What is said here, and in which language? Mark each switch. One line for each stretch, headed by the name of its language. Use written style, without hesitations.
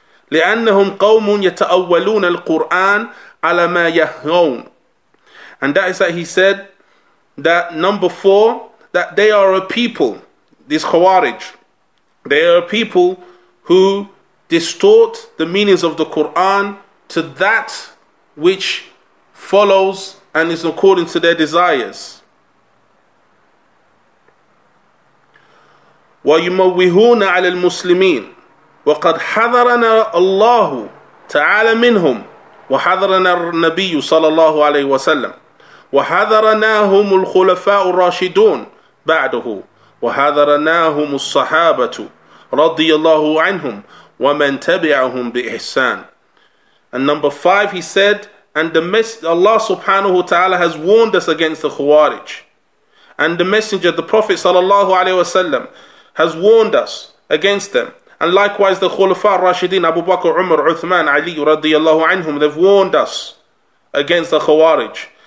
Arabic: لِأَنَّهُمْ قَوْمٌ يَتَأَوَّلُونَ الْقُرْآنَ عَلَى مَا يَهْرَوْنَ
English: And that is that he said that number four, that they are a people, these Khawarij, they are a people who distort the meanings of the Qur'an to that which follows and is according to their desires.
Arabic: ويموهون على المسلمين وقد حذرنا الله تعالى منهم وحذرنا النبي صلى الله عليه وسلم وحذرناهم الخلفاء الراشدون بعده وحذرناهم الصحابة رضي الله عنهم ومن تبعهم بإحسان.
English: And number five, he said, and the Allah subhanahu wa ta'ala has warned us against the Khawarij. And the Messenger, the Prophet sallallahu alayhi wa sallam, has warned us against them. And likewise the Khulafa al-Rashidin, Abu Bakr, Umar, Uthman, Ali radiyallahu anhum, they've warned us against the Khawarij.